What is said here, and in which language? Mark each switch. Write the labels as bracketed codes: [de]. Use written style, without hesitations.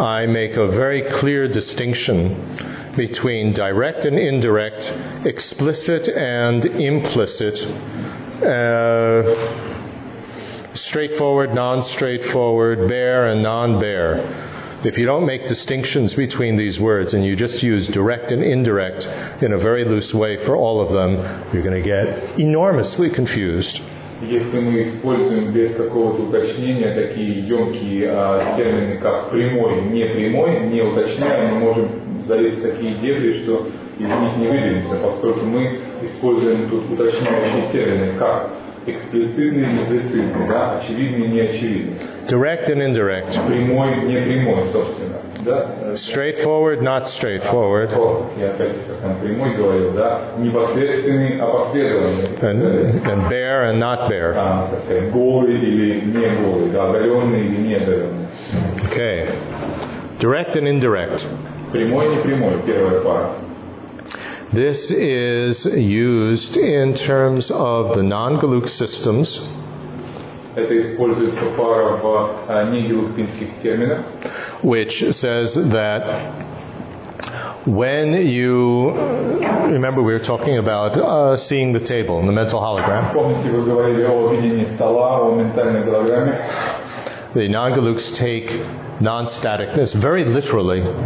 [en] I make a very clear distinction between direct and indirect, explicit and implicit, straightforward, non-straightforward, bare and non-bare. If you don't make distinctions between these words and you just use direct and indirect in a very loose way for all of them, you're going to get enormously confused. [ru] Если мы используем без какого-то уточнения такие емкие термины, как прямой, непрямой, не уточняя, мы можем залезть в такие дебри, что из них не выберемся, поскольку мы используем тут уточняющие термины, как эксплицитный, имплицитный, да, очевидный, неочевидный. [en] Direct and indirect. [ru] Прямой, непрямой, собственно. Да? [en] Straightforward, not straightforward. [ru] Я опять как прямой говорил, да? Непосредственный, а последовательный. [en] And bare and not bare. [ru] Голый или не голый, да, оголенный или не оголенный. [en] Okay. Direct and indirect. [ru] Прямой, непрямой, первая пара. [en] This is used in terms of the non-galuk systems. [ru] Это используется пара в негалукинских терминах. [en] Which says that when you remember, we were talking about seeing the table in the mental hologram. [ru] Помните, вы говорили о видении стола, о ментальной голограмме. [en] The non-galuks take non-staticness very literally.